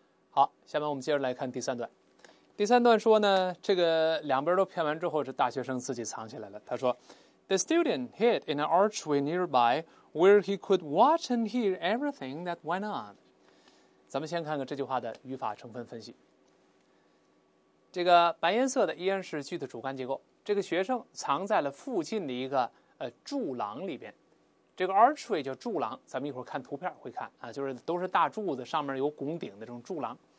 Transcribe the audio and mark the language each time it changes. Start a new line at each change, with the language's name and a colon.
Chinese: 好，下面我们接着来看第三段。第三段说呢，这个两边都骗完之后，这大学生自己藏起来了。他说
English: ，The student hid in an archway nearby where he could watch and hear everything that went on。
Chinese: 咱们先看看这句话的语法成分分析。这个白颜色的依然是句的主干结构。这个学生藏在了附近的一个柱廊里边。这个 archway 叫柱廊，咱们一会儿看图片会看啊，就是都是大柱子，上面有拱顶的这种柱廊。